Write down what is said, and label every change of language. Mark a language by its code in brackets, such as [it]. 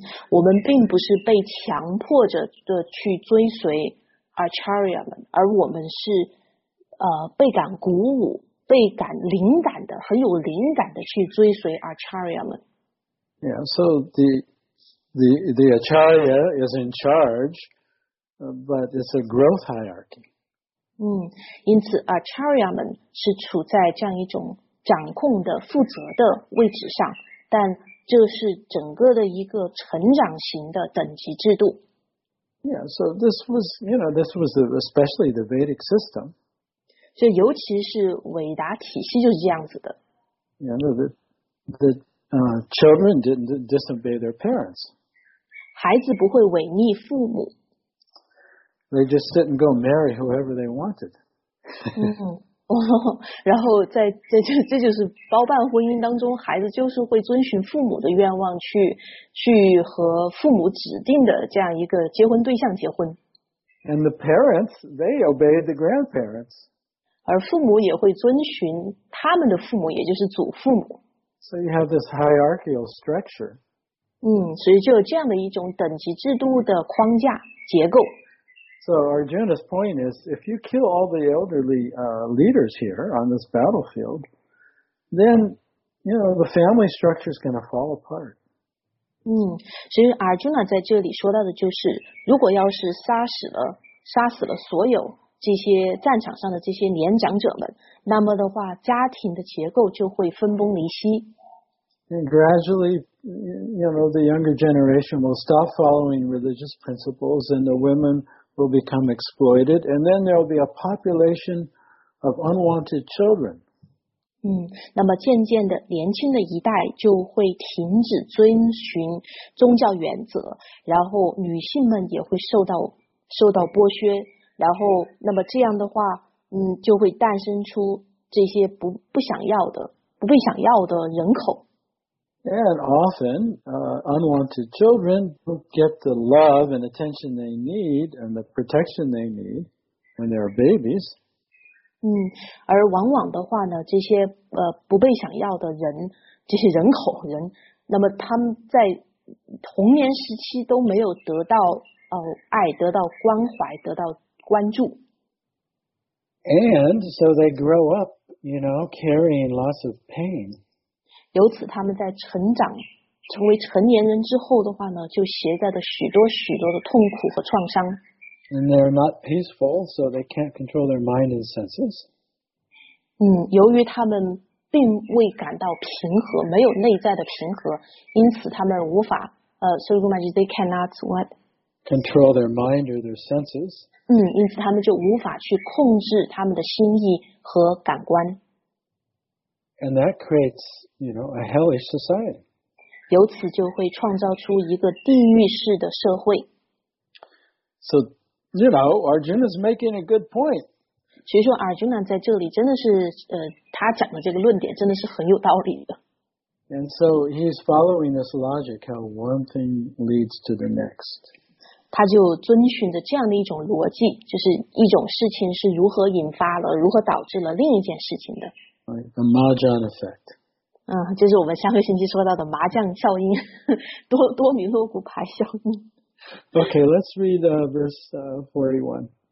[zh] 我们并不是被强迫着的去追随 Acharya 们，而我们是被感鼓舞，被感灵感的，很有灵感的去追随 Acharya 们。 [en] Yeah, so the Acharya is in charge, but it's a growth hierarchy. [zh] 因此 Acharya 们是处在这样一种掌控的、负责的位置上，但这是整个的一个成长型的等级制度。 [en] Yeah, so this was, you know, this was especially the Vedic system. [zh] 所以尤其是韦达体系就是这样子的。 [en] Yeah, no, the children didn't disobey their parents. [zh] 孩子不会违逆父母。 [en] They just didn't go marry whoever they wanted. [zh] 然后在这就是包办婚姻当中，孩子就是会遵循父母的愿望去和父母指定的这样一个结婚对象结婚。 [en] And the parents, they obeyed the grandparents. [zh] 而父母也会遵循他们的父母，也就是祖父母。 [en] So you have this hierarchical structure. [zh] 所以就有这样的一种等级制度的框架结构。 [en] So Arjuna's point is, if you kill all the elderly leaders here on this battlefield, then you know the family structure is going to fall apart. [zh] 所以 Arjuna 在这里说到的就是，如果要是杀死了所有这些战场上的这些年长者们，那么的话家庭的结构就会分崩离析。 [en] And gradually, you know, the younger generation will stop following religious principles and the women will become exploited and then there will be a population of unwanted children. [zh] 那么渐渐的年轻的一代就会停止遵循宗教原则，然后女性们也会受到剥削。然后那么这样的话就会诞生出这些不想要的不被想要的人口。 [en] And often, unwanted children don't get the love and attention they need and the protection they need when they are babies. [zh] 而往往的话呢，这些不被想要的人，这些人口人，那么他们在童年时期都没有得到爱，得到关怀，得到关注。 [en] And so they grow up, you know, carrying lots of pain. [zh] 由此他们在成长，成为成年人之后的话呢，就携带了许多许多的痛苦和创伤。 [en] And they're not peaceful, so they can't control their mind and senses. [zh] 由于他们并未感到平和，没有内在的平和，因此他们无法所以说嘛，就 [en] they cannot what? Control their mind or their senses. [zh] 因此他们就无法去控制他们的心意和感官。 [en] And that creates, you know, a hellish society. [zh] 由此就会创造出一个地狱式的社会。 [en] So, you know, Arjuna is making a good point. [zh] 所以说阿尔 n a 在这里真的是他讲的这个论点真的是很有道理的。 [en] And so he's following this logic, how one thing leads to the next. [zh] 他就遵循着这样的一种逻辑，就是一种事情是如何引发了，如何导致了另一件事情的。 [en] The Mahjong effect. [zh] 就是我们上个星期说到的麻将效应，多米诺骨牌效应。 [en] Okay, let's read verse 41.